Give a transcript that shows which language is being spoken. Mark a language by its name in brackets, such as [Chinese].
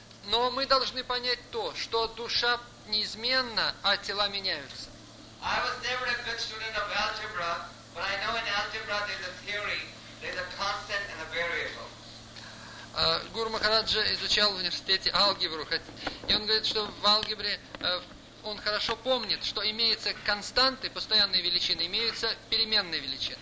[Russian] Но мы должны понять то, что душа неизменна, а тела меняются. [English] I was never a good student of algebra, but I know in algebra there's a theory, there's a constant and a variable. [Russian] Гуру Махараджа изучал в университете алгебру, и он говорит, что в алгебре он хорошо помнит, что имеются константы, постоянные величины, имеются переменные величины.